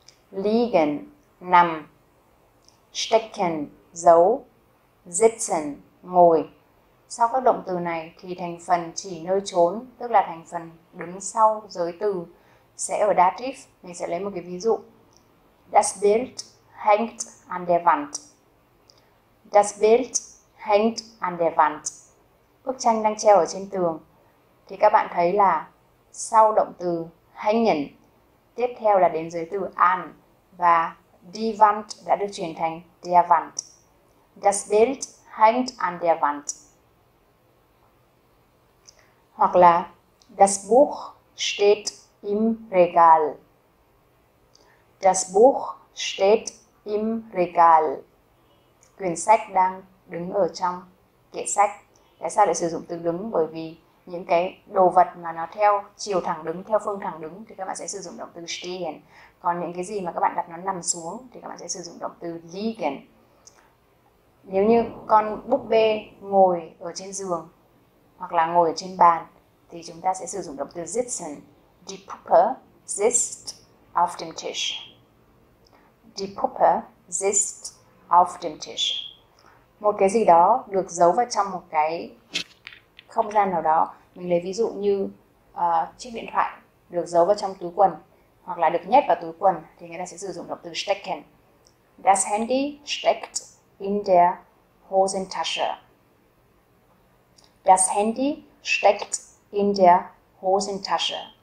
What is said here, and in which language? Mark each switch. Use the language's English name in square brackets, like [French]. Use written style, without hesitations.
[Vietnamese] Liegen, nằm. Stecken, giấu. Sitzen, ngồi. Sau các động từ này thì thành phần chỉ nơi chốn, tức là thành phần đứng sau giới từ sẽ ở dativ. Mình sẽ lấy một cái ví dụ. [German] Das Bild hängt an der Wand. Das Bild hängt an der Wand. [Vietnamese] Bức tranh đang treo ở trên tường. Thì các bạn thấy là sau động từ hängen, tiếp theo là đến giới từ an và die Wand đã được chuyển thành der Wand. [German] Das Bild hängt an der Wand. [Vietnamese] Hoặc là [German] das Buch steht im Regal. Das Buch steht im Regal. [Vietnamese] Quyển sách đang đứng ở trong kệ sách. Tại sao lại sử dụng từ đứng? Bởi vì những cái đồ vật mà nó theo chiều thẳng đứng, theo phương thẳng đứng thì các bạn sẽ sử dụng động từ stehen. Còn những cái gì mà các bạn đặt nó nằm xuống thì các bạn sẽ sử dụng động từ liegen. Nếu như con búp bê ngồi ở trên giường hoặc là ngồi ở trên bàn thì chúng ta sẽ sử dụng động từ sitzen. [German] Die Puppe sitzt auf dem Tisch. Die Puppe sitzt auf dem Tisch. [Vietnamese] Một cái gì đó được giấu vào trong một cái không gian nào đó. Mình lấy ví dụ như chiếc điện thoại được giấu vào trong túi quần hoặc là được nhét vào túi quần thì người ta sẽ sử dụng động từ stecken. [German] Das Handy steckt in der Hosentasche. Das Handy steckt in der Hosentasche.